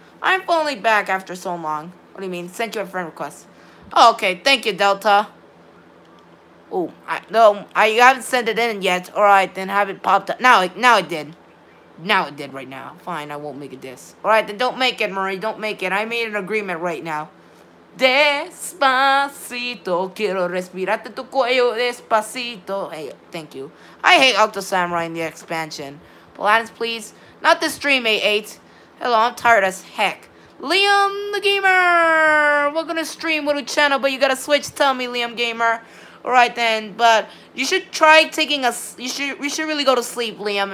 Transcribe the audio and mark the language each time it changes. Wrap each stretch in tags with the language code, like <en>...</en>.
<en>I'm finally back after so long. What do you mean? Sent you a friend request. Oh, okay, thank you, Delta. Oh, I haven't sent it in yet. Alright, then have it popped up. Now it did. Now it did right now. Fine, I won't make a diss. Alright, then don't make it, Marie. Don't make it. I made an agreement right now.</en> <es>Despacito, quiero respirarte tu cuello despacito.</es> <en>Hey, thank you. I hate Octo Samurai in the expansion. Paladins, please. Not this stream, A8. Hello, I'm tired as heck. Liam the Gamer! We're gonna stream with a channel, but you gotta Switch. Tell me, Liam Gamer. Alright then, but you should try taking a, we should really go to sleep, Liam.</en>